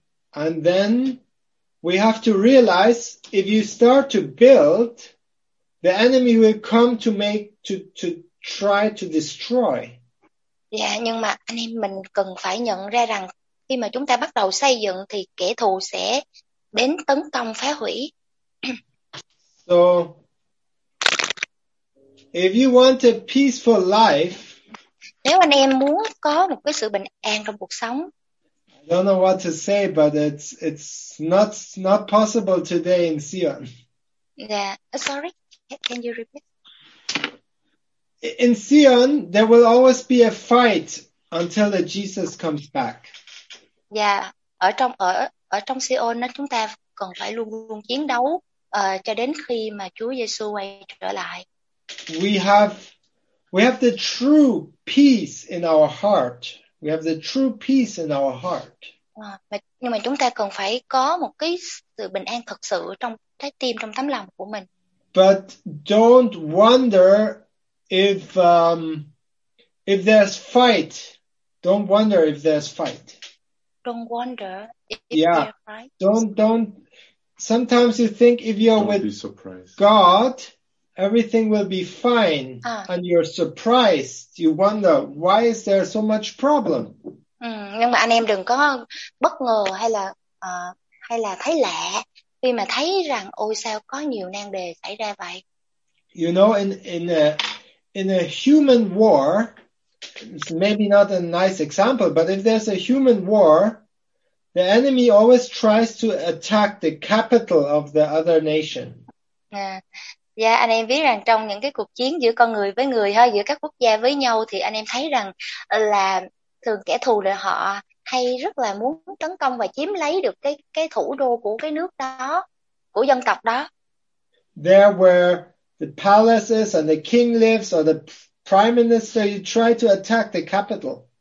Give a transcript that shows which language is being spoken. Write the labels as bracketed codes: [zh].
[en] And then we have to realize if you start to build, the enemy will come to make to try to destroy. [vi] Yeah, nhưng mà anh em mình cần phải nhận ra rằng khi mà chúng ta bắt đầu xây dựng thì kẻ thù sẽ đến tấn công phá hủy. [en] So if you want a peaceful life, [vi] nếu anh em muốn có một cái sự bình an trong cuộc sống, [en] I don't know what to say, but it's not possible today in Sion. Yeah. Sorry, can you repeat? In Sion, there will always be a fight until the Jesus comes back. Yeah. [vi] Ở trong Sion, chúng ta còn phải luôn luôn chiến đấu cho đến khi mà Chúa Giêsu quay trở lại. [en] We have the true peace in our heart. We have the true peace in our heart. [vi] Nhưng mà chúng ta cần phải có một cái sự bình an thật sự trong trái tim, trong tấm lòng của mình. [en] But don't wonder if there's fight. Don't wonder if there's fight. Don't wonder if there's fight. Don't. Sometimes you think if you're don't with be surprised. God, everything will be fine, and you're surprised. You wonder why is there so much problem. [vi] Nhưng mà anh em đừng có bất ngờ hay là thấy lạ khi mà thấy rằng ôi sao có nhiều nan đề xảy ra vậy. [en] You know, in a human war, it's maybe not a nice example, but if there's a human war, the enemy always tries to attack the capital of the other nation. [vi] Dạ, anh em biết rằng trong những cái cuộc chiến giữa con người với người ha, giữa các quốc gia với nhau, thì anh em thấy rằng là thường kẻ thù là họ hay rất là muốn tấn công và chiếm lấy được cái thủ đô của cái nước đó, của dân tộc đó. [en] There where the palaces and the king lives or the prime minister, you try to attack the capital.